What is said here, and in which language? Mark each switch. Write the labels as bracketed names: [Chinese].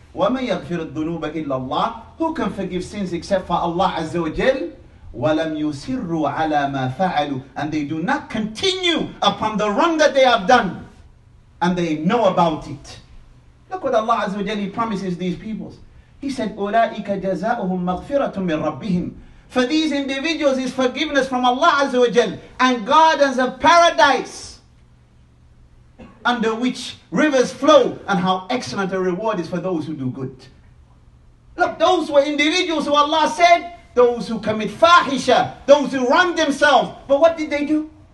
[Arabic] وَمَنْ يَغْفِرُ الدُّنُوبَ إِلَّا اللَّهِ. [English] Who can forgive sins except for Allah Azza wa Jal? [Arabic] وَلَمْ يُسِرُّوا عَلَى مَا فَعَلُوا. [English] And they do not continue upon the wrong that they have done. And they know about it. Look what Allah Azza wa Jal, He promises these peoples. He said, [Arabic] أُولَٰئِكَ جَزَاؤُهُمْ مَغْفِرَةٌ مِنْ رَبِّهِمْ. [English] For these individuals is forgiveness from Allah Azza wa Jal and gardens of paradise, under which rivers flow, and how excellent a reward is for those who do good. Look, those were individuals who Allah said, those who commit fahisha, those who wrong themselves. But what did they do?